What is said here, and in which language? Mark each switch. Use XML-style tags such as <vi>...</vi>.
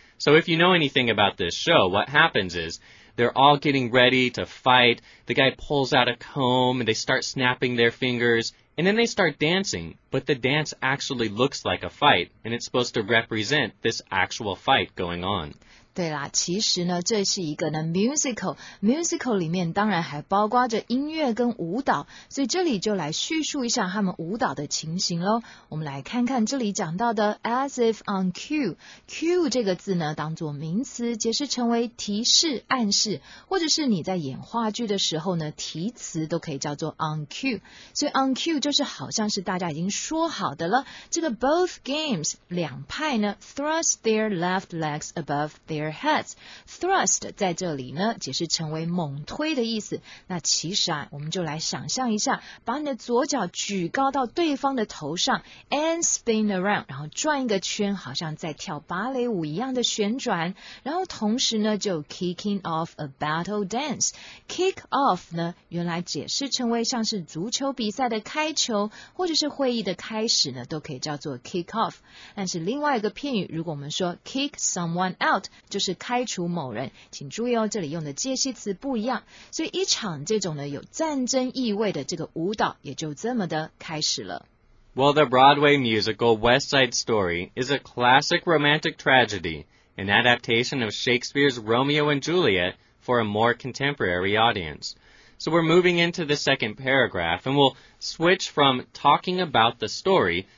<en>So if you know anything about this show, what happens is... They're all getting ready to fight. The guy pulls out a comb and they start snapping their fingers. And then they start dancing. But the dance actually looks like a fight. And it's supposed to represent this actual fight going on.</en> <zh>对啦，其实呢，这是一个呢 musical 里面当然还包括着音乐跟舞蹈，所以这里就来叙述一下他们舞蹈的情形咯。我们来看看这里讲到的</zh> <en>as if on cue，</en> <zh>cue 这个字呢当作名词解释成为提示、暗示，或者是你在演话剧的时候呢提词都可以叫做 on cue， 所以 on cue 就是好像是大家已经说好的了。这个</zh> <en>both games</en> <zh>两派呢</zh> <en>thrust their left legs above their heads.</en> <zh>Thrust 在这里呢解释成为猛推的意思，那其实啊我们就来想象一下，把你的左脚举高到对方的头上</zh> <en>and spin around，</en> <zh>然后转一个圈，好像在跳芭蕾舞一样的旋转，然后同时呢就</zh> <en>kicking off a battle dance.</en> <zh>Kick off 呢原来解释成为像是足球比赛的开球或者是会议的开始呢都可以叫做 kick off， 但是另外一个片语如果我们说</zh> <en>kick someone out</en> <zh>就是开除某人，请注意哦，这里用的介系词不一样，所以一场这种呢有战争意味的这个舞蹈也就这么的开始了。</zh> <en>Well, the Broadway musical West Side Story is a classic romantic tragedy, an adaptation of Shakespeare's Romeo and Juliet for a more contemporary audience. So we're moving into the second paragraph, and we'll switch from talking about the story.</en>